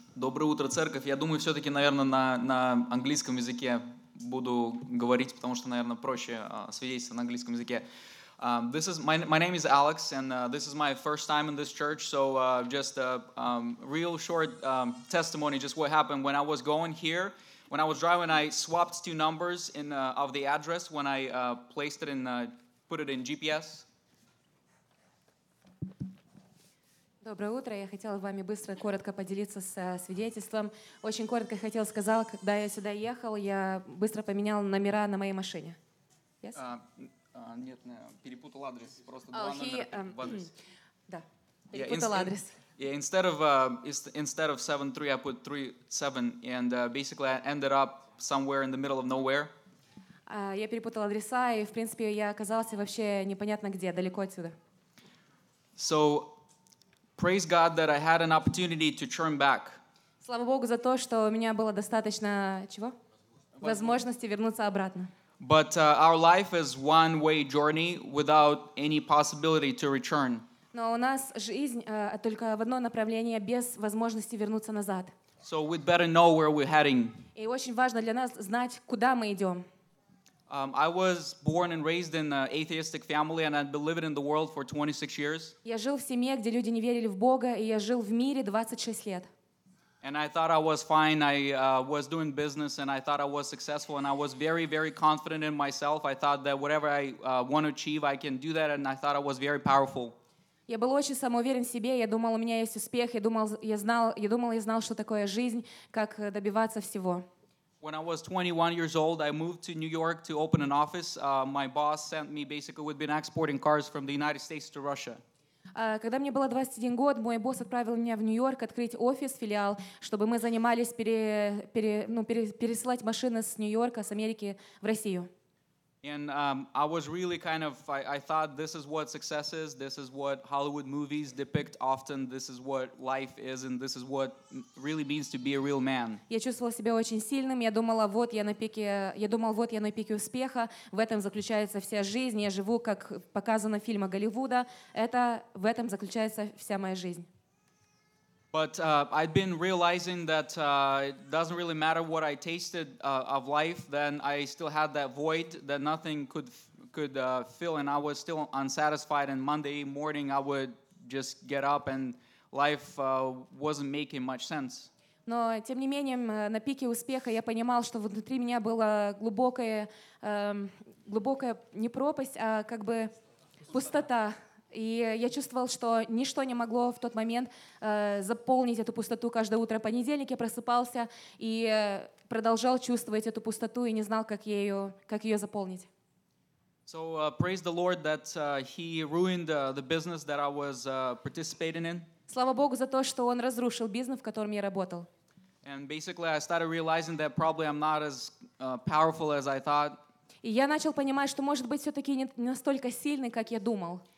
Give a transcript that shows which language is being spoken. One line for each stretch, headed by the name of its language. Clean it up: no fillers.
Russian: Доброе утро, церковь. Я думаю, все-таки, наверное, на английском языке буду говорить, потому что, наверное, проще свидетельствовать на английском языке.
English: My name is Alex, and this is my first time in this church. So just a real short testimony, just what happened when I was going here. When I was driving, I swapped two numbers in of the address when I placed it in, put it in GPS.
Russian: Доброе утро. Я хотела с вами быстро, коротко поделиться с свидетельством. Очень коротко хотела сказать, когда я сюда ехал, я быстро поменял номера на моей машине. Yes? Нет, перепутал адрес. Просто два номера в адрес. Да, перепутал адрес.
English: Yeah, instead of 7-3, I put 3-7, and basically I ended up somewhere in the middle of nowhere.
Russian: Я перепутала адреса, и, в принципе, я оказался вообще непонятно где, далеко отсюда.
English: So, praise God that I had an opportunity to turn back.
Russian: Слава Богу за то, что у меня было достаточно, чего? Возможности вернуться обратно.
English: But our life is one-way journey without any possibility to return.
Russian: Но у нас жизнь только в одно направление, без возможности вернуться назад.
English: So we'd better know where we're heading.
Russian: И очень важно для нас знать, куда мы идем.
English: I was born and raised in an atheistic family, and I've been living in the world for 26 years.
Russian: Я жил в семье, где люди не верили в Бога, и я жил в мире 26 лет.
English: And I thought I was fine. I was doing business, and I thought I was successful, and I was very, very confident in myself. I thought that whatever I want to achieve, I can do that, and I thought I was very powerful.
Russian: Я был очень самоуверен в себе, я думал, у меня есть успех, я думал, я знал, что такое жизнь, как добиваться всего.
English: When I was 21 years old, I moved to New York to open an office. My boss sent me, basically, we'd been exporting cars from the United States to Russia.
Russian: Когда мне было 21 год, мой босс отправил меня в Нью-Йорк открыть офис, филиал, чтобы мы занимались пересылать машины с Нью-Йорка, с Америки в Россию.
English: And I was really kind of, I thought this is what success is, this is what Hollywood movies depict often, this is what life is, and this is what really means to be a real man.
Russian: Я чувствовал себя очень сильным, я думал, вот я на пике успеха, в этом заключается вся жизнь, я живу, как показано в фильмах Голливуда, это, в этом заключается вся моя жизнь.
English: But I'd been realizing that it doesn't really matter what I tasted of life, then I still had that void that nothing could fill, and I was still unsatisfied, and Monday morning I would just get up, and life wasn't making much sense.
Russian: Но, тем не менее, на пике успеха я понимал, что внутри меня была глубокая не пропасть, а как бы пустота. И я чувствовал, что ничто не могло в тот момент заполнить эту пустоту. Каждое утро понедельник я просыпался и продолжал чувствовать эту пустоту и не знал, как ее заполнить.
English: So, praise the Lord that he ruined the business that I was participating in.
Russian: Слава Богу за то, что он разрушил бизнес, в котором я работал.
English: And basically I started realizing that probably I'm not as powerful as I thought.
Russian: И я начал понимать, что, может быть, все-таки не настолько сильный, как я думал.